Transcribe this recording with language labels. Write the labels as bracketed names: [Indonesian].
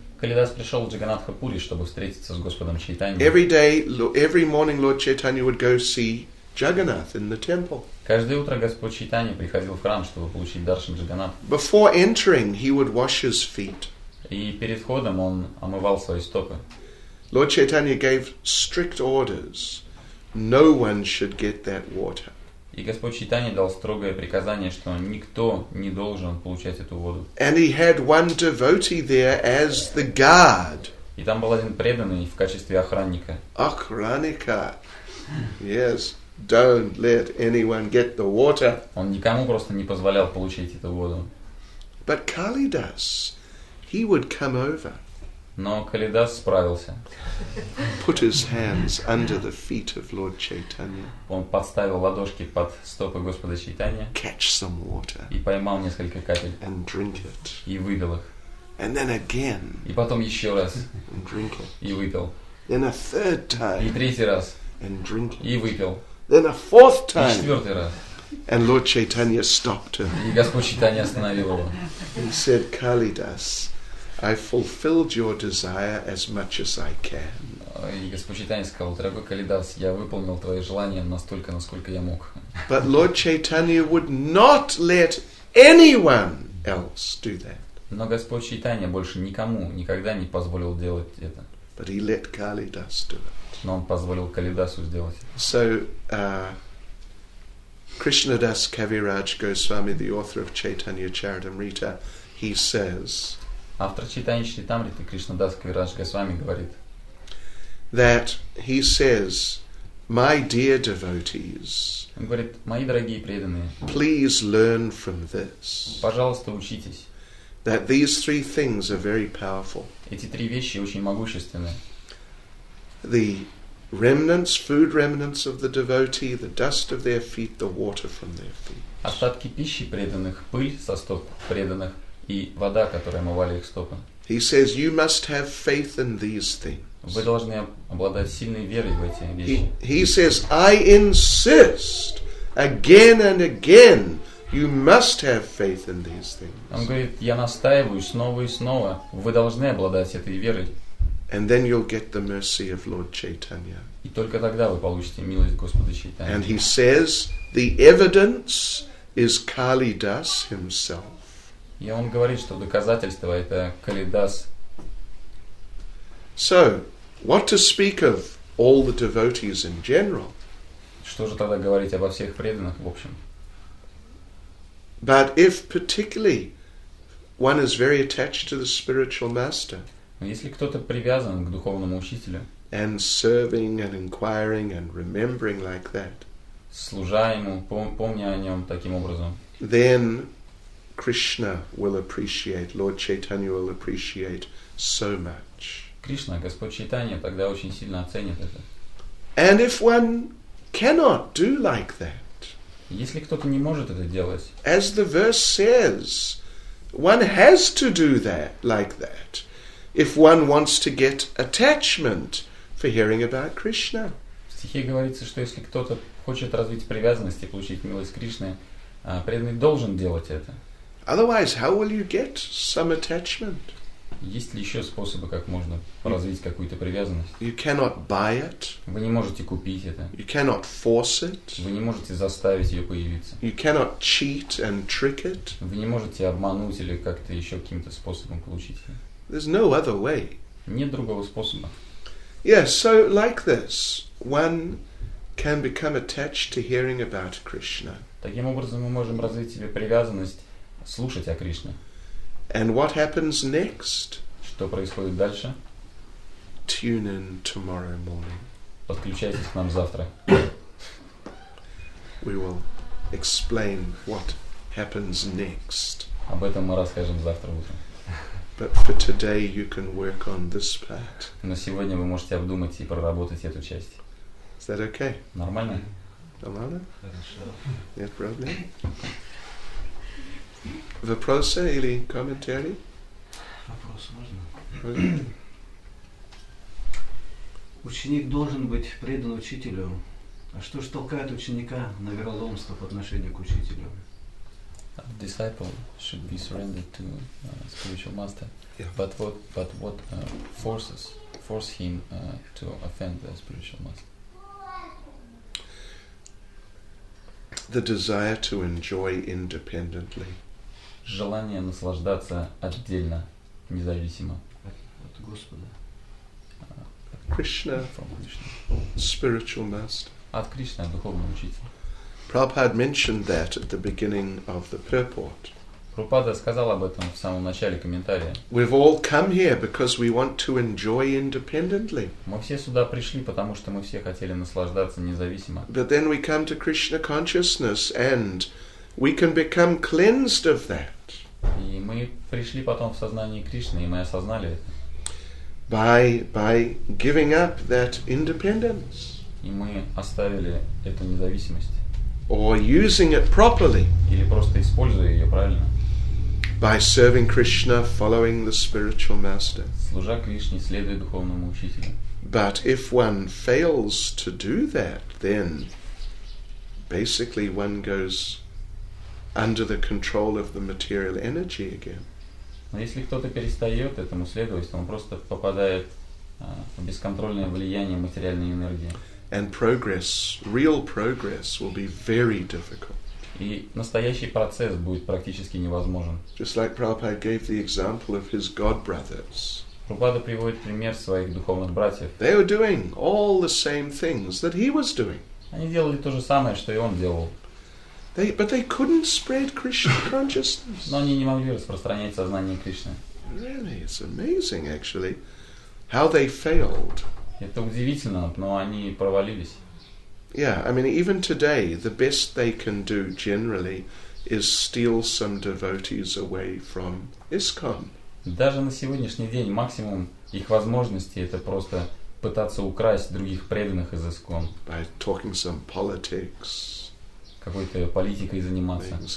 [Russian] Калидас пришел в Джаганатха Пури, чтобы встретиться с Господом Чайтаньей. [English] Every day, every morning Lord Chaitanya would go see Jagannath in the temple. [Russian] Каждое утро Господь Чайтанья приходил в храм, чтобы получить даршан Джаганатха. [English] Before entering, he would wash his feet. [Russian] И перед входом он омывал свои стопы. [English] Lord Chaitanya gave strict orders. No one should get that water. [Russian] И Господь Чайтанья дал строгое приказание, что никто не должен получать эту воду. [English] And he had one devotee there as the guard. [Russian] И там был один преданный в качестве охранника. Охранника. [English] Yes. Don't let anyone get the water. [Russian] Он никому просто не позволял получить эту воду. [English] But Kalidas, he would come over. [Russian] Но Калидас справился. [English] Put his hands under the feet of Lord Chaitanya. [Russian] Он подставил ладошки под стопы Господа Чайтанья. [English] Catch some water. [Russian] И поймал несколько капель. [English] And drink it. [Russian] И выпил их. [English] And then again. [Russian] И потом еще раз. [English] And drink it. [Russian] И выпил. [English] Then a third time. [Russian] И третий раз. [English] And drink it. [Russian] И выпил. [English] Then a fourth time. [Russian] И четвертый раз. [English] And Lord Chaitanya stopped him. [Russian] И Господь Чайтанья остановил его. [English] He said, Kalidas, I fulfilled your desire as much as I can. [Russian] И Господь Чайтанья сказал: «Дорогой Калидас, я выполнил твои желания настолько, насколько я мог». [English] But Lord Chaitanya would not let anyone else do that. [Russian] Но Господь Чайтанья больше никому никогда не позволил делать это. [English] But he let Kalidas do it. [Russian] Но он позволил Калидасу сделать это. [English] So, Krishnadas Kaviraj Goswami, the author of Chaitanya Charitamrita, he says. [Russian] Автор Чайтанья Чаритамриты Кришнадас Кавирадж Госвами говорит. [English] That he says, my dear devotees, [Russian] он говорит, мои дорогие преданные, [English] please learn from this. [Russian] Пожалуйста, учитесь. [English] That these three things are very powerful. [Russian] Эти три вещи очень могущественны. [English] The remnants, food remnants of the devotee, the dust of their feet, the water from their feet. [Russian] Остатки пищи преданных, пыль со стоп преданных и вода, которая омывала их стопы. [English] He says, you must have faith in these things. [Russian] Вы должны обладать сильной верой в эти вещи. [English] He says, I insist again and again, you must have faith in these things. [Russian] Он говорит, я настаиваю снова и снова, вы должны обладать этой верой. [English] And then you'll get the mercy of Lord Chaitanya. [Russian] И только тогда вы получите милость Господа Чайтаньи. [English] And he says, the evidence is Kalidas himself. [Russian] И он говорит, что доказательство это Калидас. [English] So, what to speak of all the devotees in general? [Russian] Что же тогда говорить обо всех преданных в общем? [English] But if particularly one is very attached to the spiritual master, [Russian] если кто-то привязан к духовному учителю, [English] and serving and inquiring and remembering like that, [Russian] служа ему, помня о нем таким образом, [English] then Krishna will appreciate, Lord Chaitanya will appreciate so much. [Russian] Кришна, Господь Чайтанья, тогда очень сильно оценит это. [English] And if one cannot do like that, [Russian] если кто-то не может это делать, [English] as the verse says, one has to do that, like that, if one wants to get attachment for hearing about Krishna. [Russian] В стихе говорится, что если кто-то хочет развить привязанность и получить милость Кришны, преданный должен делать это. [English] Otherwise, how will you get some attachment? [Russian] Есть ли еще способы, как можно развить какую-то привязанность? [English] You cannot buy it. [Russian] Вы не можете купить это. [English] You cannot force it. [Russian] Вы не можете заставить ее появиться. [English] You cannot cheat and trick it. [Russian] Вы не можете обмануть или как-то еще каким-то способом получить ее. [English] There's no other way. [Russian] Нет другого способа. [English] Yes, so like this, one can become attached to hearing about Krishna. [Russian] Таким образом мы можем развить себе привязанность слушать о Кришне. [English] And what happens next? [Russian] Что происходит дальше? [English] Tune in tomorrow morning. [Russian] Подключайтесь к нам завтра. [English] We will explain what happens next. [Russian] Об этом мы расскажем завтра утром. [English] But for today you can work on this part. [Russian] Но сегодня вы можете обдумать и проработать эту часть. [English] Is that okay? [Russian] Нормально? Нормально? Хорошо. Нет проблем? Вопросы или комментарии? Вопросы можно? Ученик должен быть предан учителю. А что ж толкает ученика на вероломство по отношению к учителю? [English] A disciple should be surrendered to spiritual master. Yeah. But what force him to offend the spiritual master? The desire to enjoy independently. [Russian] Желание наслаждаться отдельно, независимо. От Господа. От Кришна. [English] From Krishna. Spiritual master. [Russian] От Кришны, духовного учителя. [English] Prabhupada mentioned that at the beginning of the purport. [Russian] Prabhupada сказал об этом в самом начале комментария. [English] We've all come here because we want to enjoy independently. [Russian] Мы все сюда пришли, потому что мы все хотели наслаждаться независимо. [English] But then we come to Krishna consciousness and we can become cleansed of that. [Russian] И мы пришли потом в сознание Кришны, и мы осознали это. [English] By giving up that independence. [Russian] И мы оставили эту независимость. [English] Or using it properly. [Russian] Или просто используя ее правильно. [English] By serving Krishna, following the spiritual master. [Russian] Служа Кришне, следуя духовному учителю. [English] But if one fails to do that, then basically one goes under the control of the material energy again. [Russian] Но если кто-то перестает этому следовать, он просто попадает бесконтрольное влияние материальной энергии. [English] And progress, real progress, will be very difficult. [Russian] И настоящий процесс будет практически невозможен. [English] Just like Prabhupada gave the example of his god brothers. [Russian] Прабхупада приводит пример своих духовных братьев. [English] They were doing all the same things that he was doing. [Russian] Они делали то же самое, что и он делал. [English] But they couldn't spread Krishna consciousness. [Russian] Но они не могли распространять сознание Кришны. [English] Really, it's amazing, actually, how they failed. [Russian] Это удивительно, но они провалились. [English] Yeah, I mean, even today, the best they can do generally is steal some devotees away from ISKCON. [Russian] Даже на сегодняшний день максимум их возможностей это просто пытаться украсть других преданных из ISKCON. [English] By talking some politics. [Russian] Какой-то политикой заниматься.